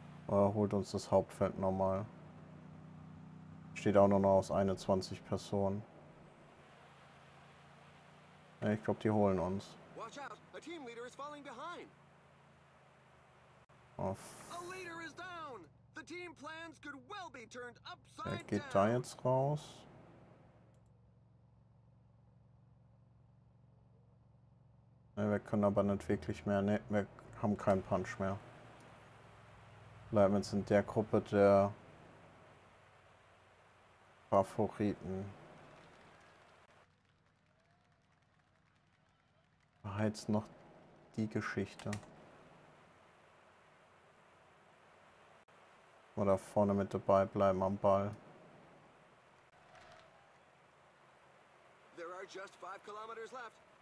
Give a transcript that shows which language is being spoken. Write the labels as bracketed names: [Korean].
[German] Holt uns das Hauptfeld nochmal. Steht auch nur noch aus 21 Personen. Ja, ich glaube, die holen uns. [English] Watch out. A team leader is falling behind. Oh, a leader is down. The team plans could well be turned upside down. [German] Wer geht da jetzt raus? Ja, wir können aber nicht wirklich mehr. Ne, wir haben keinen Punch mehr. Bleiben wir jetzt in der Gruppe der Favoriten. Heizt noch die Geschichte. Oder vorne mit dabei bleiben am Ball. [English] There are just 5 kilometers left.